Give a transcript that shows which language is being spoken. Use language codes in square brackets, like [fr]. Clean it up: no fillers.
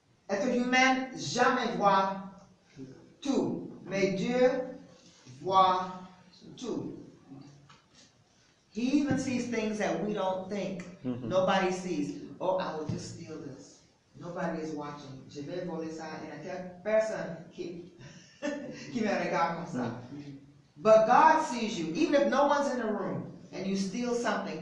[fr] Être humain, jamais voit tout. Mais Dieu voit tout. [en] He even sees things that we don't think. Mm-hmm. Nobody sees. Oh, I will just steal this. Nobody is watching. [fr] Je vais voler ça et la personne qui me regarde comme ça. [en] But God sees you, even if no one's in the room, and you steal something.